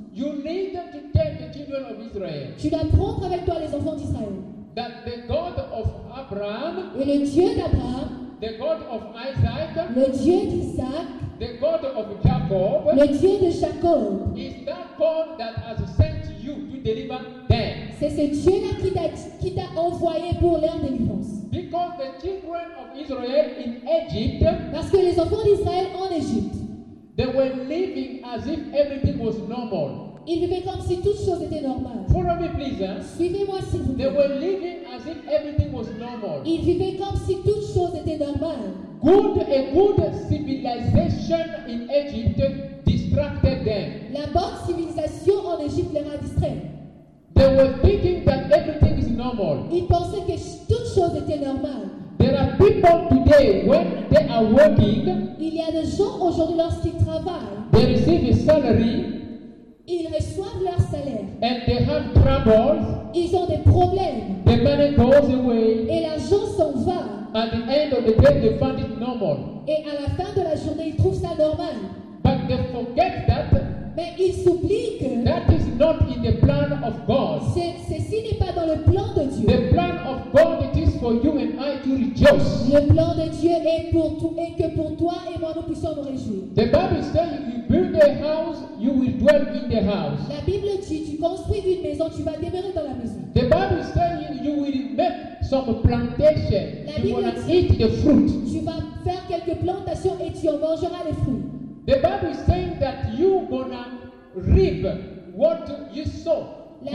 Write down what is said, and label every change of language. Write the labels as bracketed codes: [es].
[en] You need to take the children of Israel. [fr] Tu dois prendre avec toi les enfants d'Israël. [en] That the God of Abraham, [fr] et le Dieu d'Abraham, [en] the God of Isaac, [fr] le Dieu d'Isaac, [en] the God of Jacob, [fr] le Dieu de Jacob, [en] is that God that has sent you to deliver them? [fr] C'est ce Dieu-là qui t'a envoyé pour leur délivrance. [en] Because the children of Israel in Egypt, [fr] parce que les enfants d'Israël en Égypte. [en] They were living as if everything was normal. [fr] Ils vivaient comme si toute chose était normale. [en] Follow me, please. [fr] Suivez-moi, s'il vous plaît. [en] They were living as if everything was normal. [fr] Ils vivaient comme si toute chose était normale. [en] A good civilization in Egypt distracted them. [fr] La bonne civilisation en Égypte les a distraits. [en] They were thinking that everything is normal. [fr] Ils pensaient que toute chose était normale. [en] There are people today when they are working. [fr] Il y a des gens aujourd'hui lorsqu'ils travaillent. [en] They receive a salary. [fr] Ils reçoivent leur salaire. [en] And they have troubles. [fr] Ils ont des problèmes. [en] The money goes away. [fr] Et l'argent s'en va. [en] At the end of the day, they find it normal. [fr] Et à la fin de la journée, ils trouvent ça normal. [en] But they forget that. [fr] Mais ils s'oublient que [en] that is not in the plan of God. [fr] Ceci n'est pas dans le plan de Dieu. [en] The plan of God it is for you and I to rejoice. [fr] Le plan de Dieu est pour tout et que pour toi et moi nous puissions nous réjouir. [en] The Bible says you build a house, you will dwell in the house. [fr] La Bible dit tu construis une maison, tu vas demeurer dans la maison. [en] The Bible says you will make some plantation, you will eat the fruit. [fr] Tu vas faire quelques plantations et tu en mangeras les fruits. [en] The Bible is saying that you gonna reap what you sow.